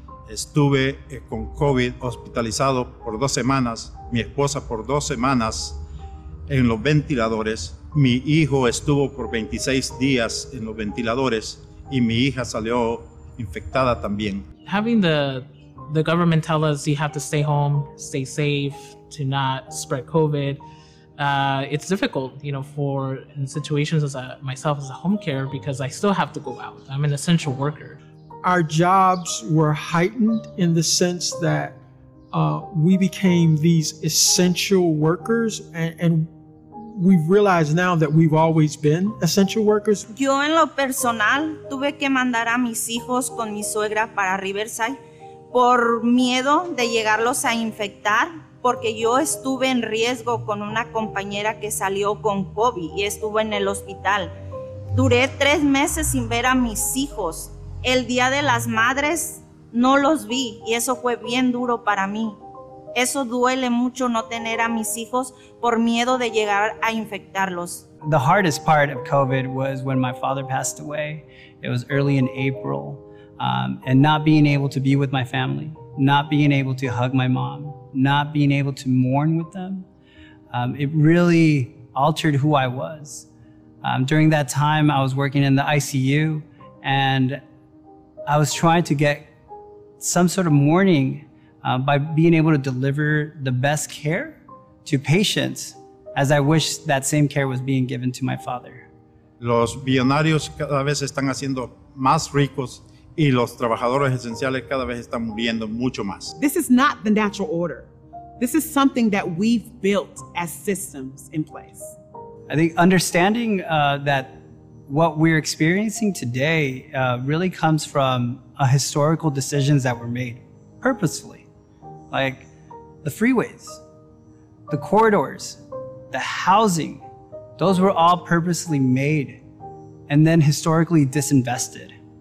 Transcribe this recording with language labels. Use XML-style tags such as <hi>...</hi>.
<es>Estuve con COVID hospitalizado por 2 semanas, mi esposa por 2 semanas en los ventiladores, mi hijo estuvo por 26 días en los ventiladores y mi hija salió infectada también.</es> <en>Having the government tell us you have to stay home, stay safe, to not spread COVID, it's difficult, you know, for in situations as a, myself as a home care, because I still have to go out. I'm an essential worker. Our jobs were heightened in the sense that we became these essential workers, and we realize now that we've always been essential workers.</en> <es>Yo en lo personal tuve que mandar a mis hijos con mi suegra para Riverside por miedo de llegarlos a infectar. Porque yo estuve en riesgo con una compañera que salió con COVID y estuvo en el hospital. Duré 3 meses sin ver a mis hijos. El Día de las Madres no los vi y eso fue bien duro para mí. Eso duele mucho no tener a mis hijos por miedo de llegar a infectarlos.</es> <en>The hardest part of COVID was when my father passed away. It was early in April. And not being able to be with my family, not being able to hug my mom, not being able to mourn with them, it really altered who I was. During that time, I was working in the ICU, and I was trying to get some sort of mourning by being able to deliver the best care to patients, as I wish that same care was being given to my father.</en> <es>Los millonarios cada vez están haciendo más ricos y los trabajadores esenciales cada vez están muriendo mucho más.</es> <en>This is not the natural order. This is something that we've built as systems in place. I think understanding that what we're experiencing today really comes from a historical decisions that were made purposefully. Like the freeways, the corridors, the housing, those were all purposely made and then historically disinvested.</en>